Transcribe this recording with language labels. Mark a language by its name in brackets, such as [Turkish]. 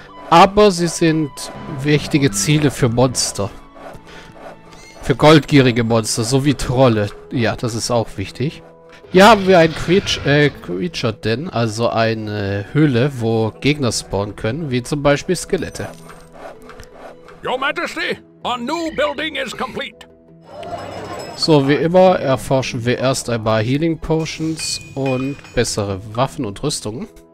[German] Aber sie sind wichtige Ziele für Monster. Für goldgierige Monster, so wie Trolle. Ja, das ist auch wichtig. Hier haben wir ein Creature Den, also eine Höhle, wo Gegner spawnen können, wie zum Beispiel Skelette. [English] Your Majesty, a new building is complete. [German] So, wie immer erforschen wir erst einmal Healing Potions und bessere Waffen und Rüstungen.